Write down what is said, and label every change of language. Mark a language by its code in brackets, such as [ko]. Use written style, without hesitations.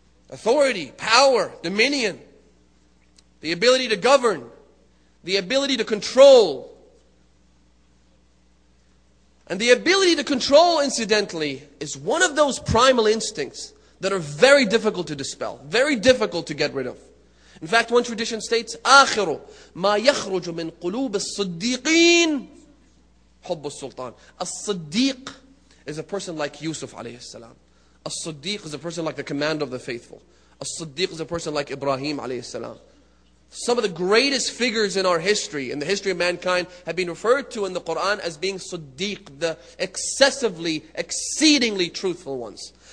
[en] Authority, power, dominion, the ability to govern, the ability to control. And the ability to control, incidentally, is one of those primal instincts that are very difficult to dispel, very difficult to get rid of. In fact, one tradition states, [ar] آخِرُ مَا يَخْرُجُ مِنْ قُلُوبِ الصَّدِّيقِينَ حُبُّ السُّلْطَانِ. [en] A Siddiq is a person like Yusuf alayhi salam. A Siddiq is a person like the commander of the faithful. A Siddiq is a person like Ibrahim alayhi salam. Some of the greatest figures in our history, in the history of mankind, have been referred to in the Quran as being Siddiq, the excessively, exceedingly truthful ones.